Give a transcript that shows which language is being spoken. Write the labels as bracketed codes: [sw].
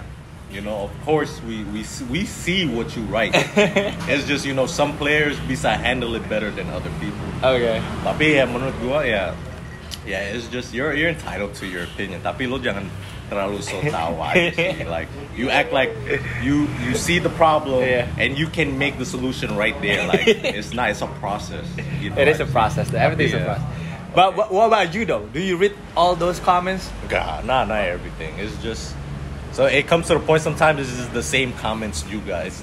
[en] Like, you know, of course we see what you write. It's just, you know, some players [id] bisa [en] handle it better than other people. Okay. [id] Tapi ya menurut gua [en] it's just you're entitled to your opinion. [id] Tapi lo jangan terlalu so tahu aja sih. [en] Like you act like you see the problem and you can make the solution right there. Like it's not, it's a process. You know, it is a process. Everything is a process. But what about you though? Do you read all those comments? Nah, not everything. It's just, so it comes to the point sometimes this is the same comments you guys.